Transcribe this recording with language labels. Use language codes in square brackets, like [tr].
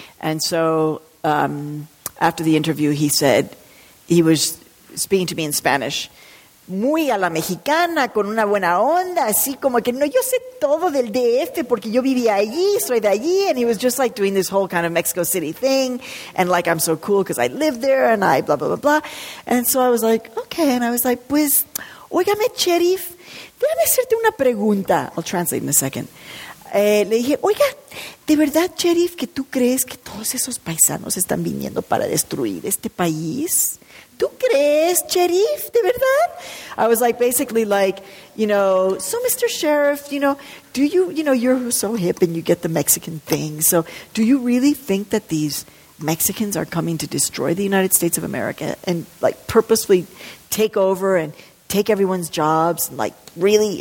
[en] And so after the interview, he said, he was speaking to me in Spanish, [es] muy a la mexicana, con una buena onda, así como que no, yo sé todo del DF porque yo viví allí, soy de allí. [en] And he was just like doing this whole kind of Mexico City thing, and like, I'm so cool because I live there, and I blah, blah, blah, blah. And so I was like, okay. And I was like, [es] pues, oígame, sheriff, déjame hacerte una pregunta. [en] I'll translate in a second. [es] Le dije, oiga, ¿de verdad, sheriff, que tú crees que todos esos paisanos están viniendo para destruir este país? ¿Tú crees, sheriff, de verdad? [en] I was like, basically like, so Mr. Sheriff, do you, you're so hip and you get the Mexican thing. So do you really think that these Mexicans are coming to destroy the United States of America and like purposefully take over and take everyone's jobs? Like, really?